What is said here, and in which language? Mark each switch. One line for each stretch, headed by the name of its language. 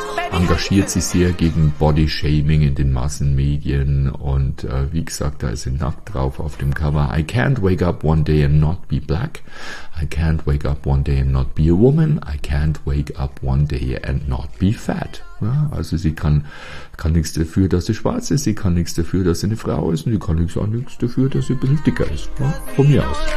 German: engagiert sich sehr gegen Bodyshaming in den Massenmedien und wie gesagt, da ist sie nackt drauf auf dem Cover.
English: I can't wake up one day and not be black. I can't wake up one day and not be a woman. I can't wake up one day and not be fat.
German: Ja, also sie kann nichts dafür, dass sie schwarz ist. Sie kann nichts dafür, dass sie eine Frau ist. Und sie kann nichts auch nichts dafür, dass sie ein bisschen dicker ist. Ja, von mir aus.